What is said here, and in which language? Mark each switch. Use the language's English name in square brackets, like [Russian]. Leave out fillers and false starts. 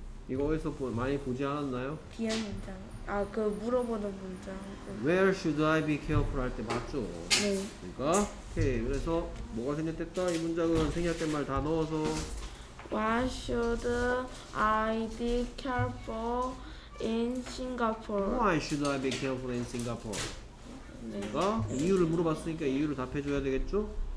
[Korean] 이거 어디서 많이 보지 않았나요? 비엔 문장. 그 물어보는 문장. [English] Where should I be careful [Korean] 할 때 맞죠? 네. 그러니까? 오케이, 그래서 뭐가 생략됐다? 이 문장은 생략된 말 다 넣어서 [English] Why should I be careful in Singapore? Why should I be careful in Singapore? 네. [Korean] 이유를 물어봤으니까 이유를 답해줘야 되겠죠?